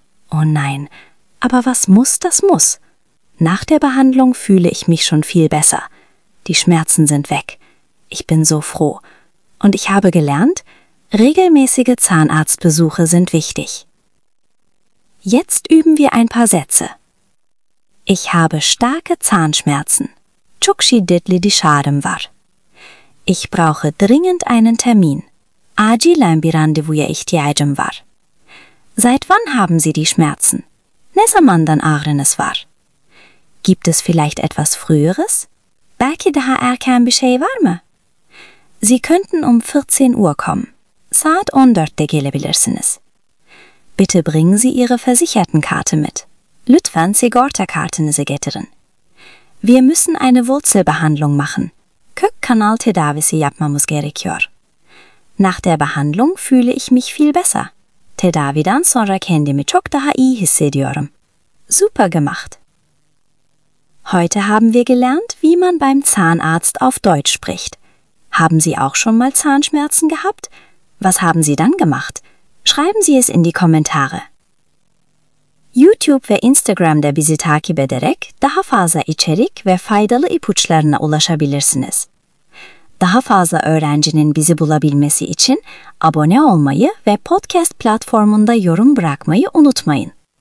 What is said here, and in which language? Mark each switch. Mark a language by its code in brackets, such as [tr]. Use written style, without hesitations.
[de] Oh nein, aber was muss, das muss. Nach der Behandlung fühle ich mich schon viel besser. Die Schmerzen sind weg. Ich bin so froh. Und ich habe gelernt, regelmäßige Zahnarztbesuche sind wichtig. Jetzt üben wir ein paar Sätze. Ich habe starke Zahnschmerzen. [tr] Çukşi didli diş ağrım var. [de] Ich brauche dringend einen Termin. [tr] Acilen bir randevuya ihtiyacım var. [de] Seit wann haben Sie die Schmerzen? [tr] Ne zamandan ağrınız var? [de] Gibt es vielleicht etwas Früheres? [tr] Belki daha erken bir şey var mı? [de] Sie könnten um 14 Uhr kommen. [tr] Saat 14'te gelebilirsiniz. [de] Bitte bringen Sie Ihre Versichertenkarte mit. [tr] Lütfen sigortakartınızı getirin. [de] Wir müssen eine Wurzelbehandlung machen. [tr] Kök kanal tedavisi yapmamız gerekiyor. [de] Nach der Behandlung fühle ich mich viel besser. [tr] Tedaviden sonra kendimi çok daha iyi hissediyorum. [de] Super gemacht! Heute haben wir gelernt, wie man beim Zahnarzt auf Deutsch spricht. Haben Sie auch schon mal Zahnschmerzen gehabt? Was haben Sie dann gemacht? Schreiben Sie es in die Kommentare. [tr] YouTube ve Instagram'da bizi takip ederek daha fazla içerik ve faydalı ipuçlarına ulaşabilirsiniz. Daha fazla öğrencinin bizi bulabilmesi için abone olmayı ve podcast platformunda yorum bırakmayı unutmayın.